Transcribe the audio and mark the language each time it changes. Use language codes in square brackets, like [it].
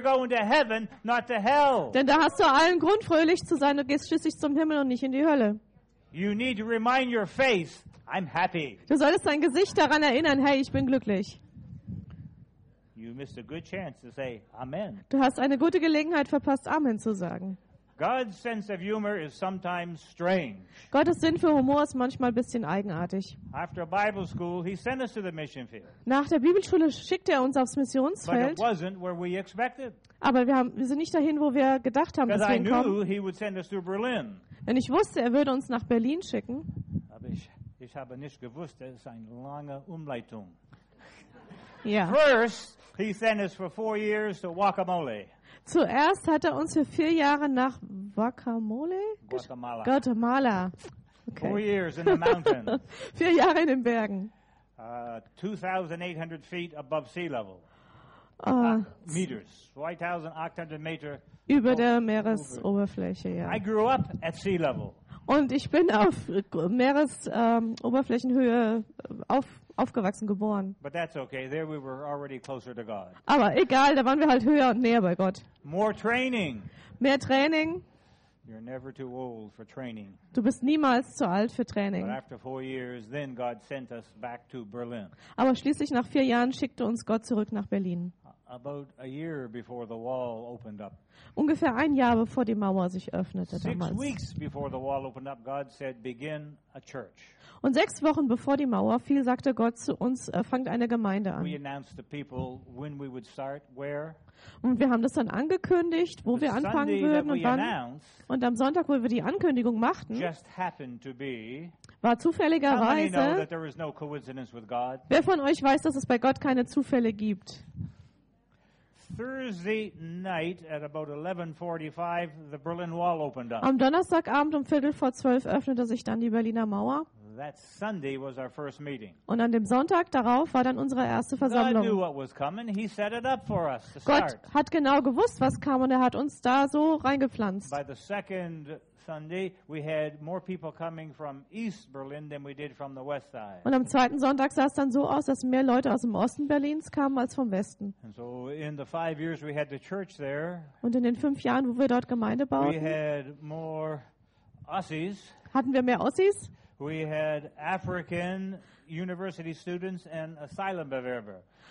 [de] Denn da hast du allen Grund, fröhlich zu sein. Du gehst schließlich zum Himmel und nicht in die Hölle. [en] You need to remind your face, I'm happy. [de] Du solltest dein Gesicht daran erinnern, hey, ich bin glücklich. [en] You missed a good chance to say, amen. [de] Du hast eine gute Gelegenheit verpasst, Amen zu sagen. [en] God's sense of humor is sometimes strange. [de] Gottes Sinn für Humor ist manchmal ein bisschen eigenartig. [en] After Bible school, he sent us to the mission field. [de] Nach der Bibelschule schickte er uns aufs Missionsfeld. [en] But it wasn't where we expected. [de] Aber wir sind nicht dahin, wo wir gedacht haben, dass wir hinkommen. [en] Because I knew he would send us to Berlin. [de] Denn ich wusste, er würde uns nach Berlin schicken. Aber ich habe nicht gewusst, das ist eine lange Umleitung. Ja. [en] First, he sent us for 4 years to Guacamole. [de] Zuerst hat er uns für 4 Jahre nach Guacamole? [en] Guatemala. [de] Guatemala. [en] Okay. 4 years in the mountains. [de] 4 Jahre in den Bergen. [en] 2,800 feet above sea level. Meters. [de] 2,800 meter. Über der Meeresoberfläche, ja. [en] I grew up at sea level. [de] Und ich bin auf Meeresoberflächenhöhe aufgewachsen, geboren. [en] But that's okay. There we were already closer to God. [de] Aber egal, da waren wir halt höher und näher bei Gott. [en] More training. [de] Mehr Training. [en] You're never too old for training. [de] Du bist niemals zu alt für Training. [en] But after 4 years, then God sent us back to Berlin. [de] Aber schließlich nach 4 Jahren schickte uns Gott zurück nach Berlin. [en] About a year before the wall opened up. [de] Ungefähr ein Jahr bevor die Mauer sich öffnete damals. [en] 6 weeks before the wall opened up, God said, "Begin a church." [de] Und 6 Wochen bevor die Mauer fiel, sagte Gott zu uns, fangt eine Gemeinde an. [en] We announced to people when we would start, where. [de] Und wir haben das dann angekündigt, wo wir anfangen würden und wann. Und am Sonntag, wo wir die Ankündigung machten, [en] just happened to be. [de] War zufälligerweise. [en] How many know that there is no coincidence with God? [de] Wer von euch weiß, dass es bei Gott keine Zufälle gibt? [en] Thursday night at about 11:45, the Berlin Wall opened up. [de] Am Donnerstagabend um 11:45 öffnete sich dann die Berliner Mauer. [en] That Sunday was our first meeting. [de] Und an dem Sonntag darauf war dann unsere erste Versammlung. [en] God knew what was coming. He set it up for us to start. [de] Gott hat genau gewusst, was kam, und er hat uns da so reingepflanzt. [en] By the second Sunday, we had more people coming from East Berlin than we did from the West side. [de] Und am zweiten Sonntag sah es dann so aus, dass mehr Leute aus dem Osten Berlins kamen als vom Westen. [en] And so in the 5 years we had the church there. [de] Und in den 5 Jahren, wo wir dort Gemeinde bauten, [en] we had more Aussies. [de] Hatten wir mehr Aussies? [en] We had African university students and asylum bewerber.